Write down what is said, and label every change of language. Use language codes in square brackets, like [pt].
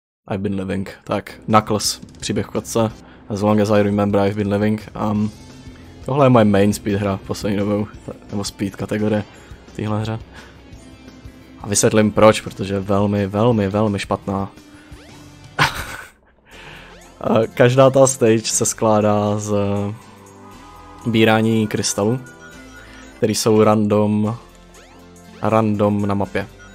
[en] I've been living. [cs] Tak, Knuckles, příběh kotce. [en] As long as I remember, I've been living. [cs] Tohle je moje [en] main speed [cs] hra poslední dobou, nebo speed kategorie týhle hře. A vysvětlím proč, protože je velmi, velmi, velmi špatná. Každá ta stage se skládá z bírání krystalů, který jsou random na mapě.